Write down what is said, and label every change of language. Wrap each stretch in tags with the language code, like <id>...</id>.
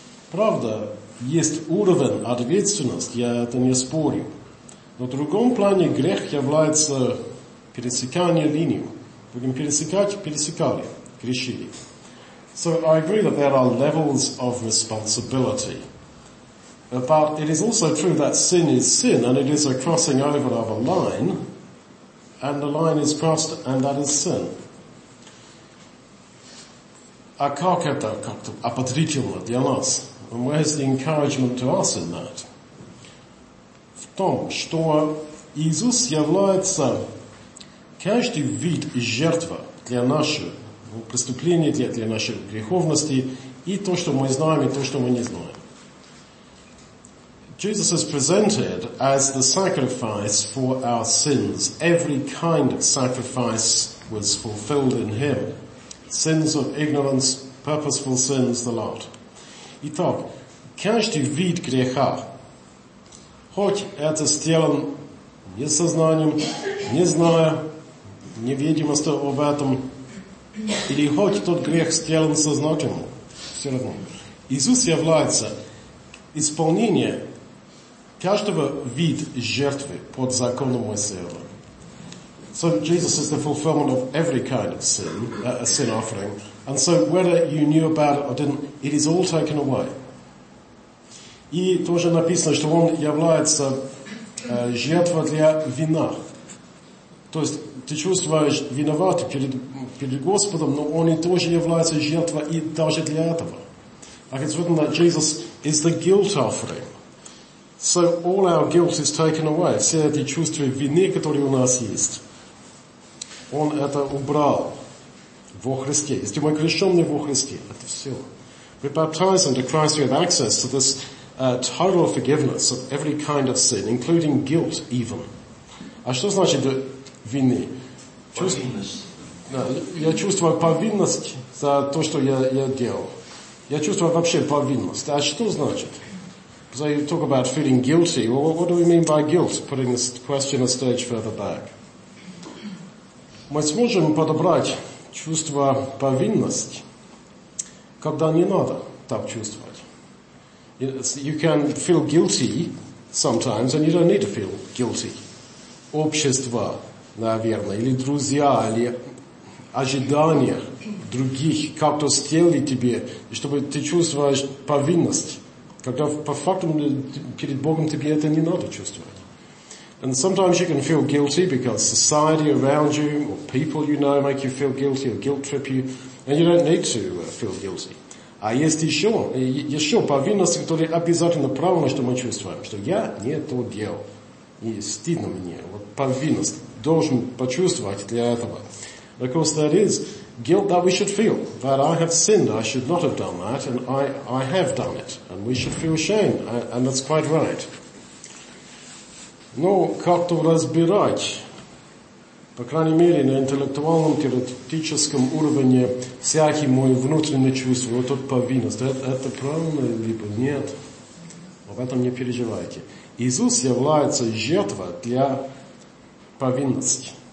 <ru>Правда, есть уровень ответственности, я это не спорю. Но в другом плане грех является пересекание линию. Будем пересекать, пересекали, грешили.</ru> <en>So I agree that there are levels of responsibility. But it is also true that sin is sin, and it is a crossing over of a line, and the line is crossed, and that is sin.</en> <ru>А как это как-то ободрительно для нас?</ru> <en>And where's the encouragement to us in that?</en> <ru>В том, что Иисус является каждый вид жертвы для нашей преступления, для нашей греховности, и то, что мы знаем, и то, что мы не знаем.</ru> <en>Jesus is presented as the sacrifice for our sins. Every kind of sacrifice was fulfilled in him. Sins of ignorance, purposeful sins the Lord.</en> <ru>Итак, каждый вид греха, хоть это сделан несознанием, не зная, невидимостью об этом, или хоть тот грех сделан сознательно, все равно. Иисус является исполнением каждого вид жертвы под законом Моисеева.</ru> <en>So Jesus is the fulfillment of every kind of sin, a sin offering. And so whether you knew about it or didn't, it is all taken away.</en> <ru>И тоже написано, что он является жертвой для вина. То есть ты чувствуешь виноватый перед Господом, но он и тоже является жертвой и даже для этого.</ru> <en>Like it's written that Jesus is the guilt offering. So all our guilt is taken away.</en> <ru>Все эти чувства вины, которые у нас есть, он это убрал во Христе. Если мы крещены во Христе, это все.</ru> <en>We're baptized into Christ, we have access to this total forgiveness of every kind of sin, including guilt even.</en> <ru>А что значит вины? Повинность. Да, я чувствую повинность за то, что я делал. Я чувствую вообще повинность. А что значит?</ru> <en>So you talk about feeling guilty. Well, what do we mean by guilt? Putting this question a stage further back.</en> <ru>Мы сможем подобрать чувство повинности, когда не надо так чувствовать.</ru> <en>You can feel guilty sometimes, and you don't need to feel guilty.</en> <ru>Общество, наверное, или друзья, или ожидания других как-то сделали тебе, чтобы ты чувствовал повинность, когда по факту перед Богом тебе это не надо чувствовать.</ru> <en>And sometimes you can feel guilty because society around you or people you know make you feel guilty or guilt trip you, and you don't need to feel guilty.</en> <ru>А есть еще повинность, которая обязательно правильно, что мы чувствуем, что я не то делал, и стыдно мне. Вот повинность должен почувствовать для этого.</ru> <en>Of course, that is guilt that we should feel, that I have sinned, I should not have done that, and I have done it, and we should feel shame, and that's quite right.</en> <ru>Но как-то разбирать, по крайней мере, на интеллектуальном, теоретическом уровне, всякие мои внутренние чувства, вот тут повинность, это правильно, либо нет, об этом не переживайте. Иисус является жертвой для повинности.</ru>